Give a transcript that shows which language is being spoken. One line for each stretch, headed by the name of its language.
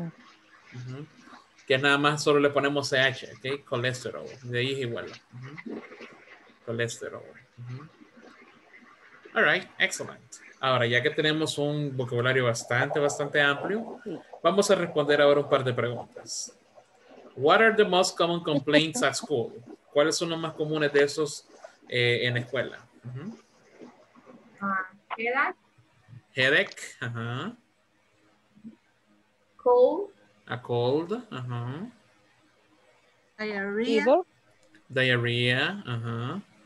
Spanish: Uh-huh. Que nada más solo le ponemos CH, ¿ok? Colesterol. De ahí es igual. Uh-huh. Colesterol.
English: Uh-huh. All right, excellent.
Spanish: Ahora, ya que tenemos un vocabulario bastante, bastante amplio, vamos a responder ahora un par de preguntas.
English: What are the most common complaints at school?
Spanish: ¿Cuáles son los más comunes de esos en escuela?
English: Headache. Uh-huh. Cold. A cold. Uh-huh. Diarrhea. Fever. Diarrhea. Uh-huh.